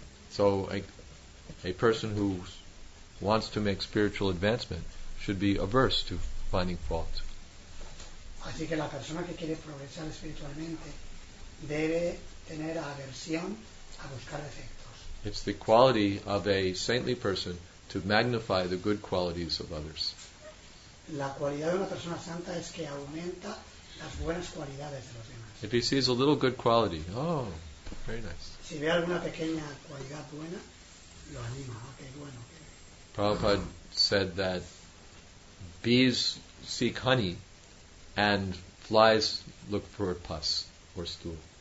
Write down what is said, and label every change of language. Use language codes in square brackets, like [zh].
[en] So a person who wants to make spiritual advancement should be averse to finding fault. [es] Así que la persona que quiere progresar espiritualmente debe tener aversión a buscar defectos. [en] It's the quality of a saintly person to magnify the good qualities of others. [es] La cualidad de una persona santa es que aumenta las buenas cualidades de los demás. [en] If he sees a little good quality, oh, very nice. [es] Si ve alguna pequeña cualidad buena, lo anima. Okay, bueno. Okay. [en] Prabhupada said that bees seek honey and flies look for pus or stool.